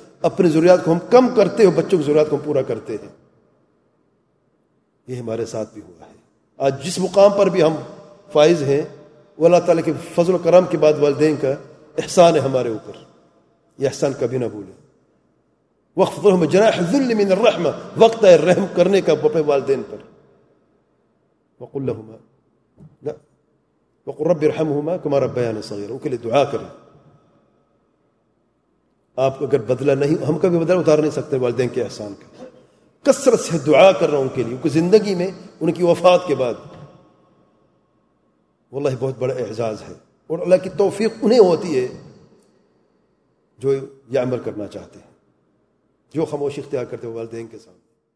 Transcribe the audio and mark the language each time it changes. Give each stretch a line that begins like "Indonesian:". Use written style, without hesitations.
Urdu: اپنی ضروریات کو ہم کم کرتے ہیں, بچوں کی ضروریات کو ہم پورا کرتے ہیں. یہ ہمارے ساتھ بھی ہوا ہے. آج جس مقام پر بھی ہم فائز ہیں, وہ اللہ تعالیٰ کے فضل و کرم کے بعد والدین کا احسان ہے ہمارے اوپر. یہ احسان کبھی نہ بھولیں.
Arabic: وقف جناح ذل من الرحمہ,
Urdu: وقت ہے رحم کرنے کا اپنے والدین پر.
Arabic: وقل لهما لا وقل رب ارحمهما كما ربيانا صغيرا,
Urdu: ان کے لیے دعا کریں. آپ اگر بدلہ نہیں, ہم کبھی بدلہ اتار نہیں سکتے والدین کے احسان کا. کثرت سے دعا کر رہا ہوں ان کے لیے, ان کی زندگی میں ان کی وفات کے بعد, واللہ بہت بڑا اعزاز ہے, اور اللہ کی توفیق انہیں ہوتی ہے جو یہ عمل کرنا چاہتے ہیں, جو خاموشی اختیار کرتے ہیں والدین کے سامنے.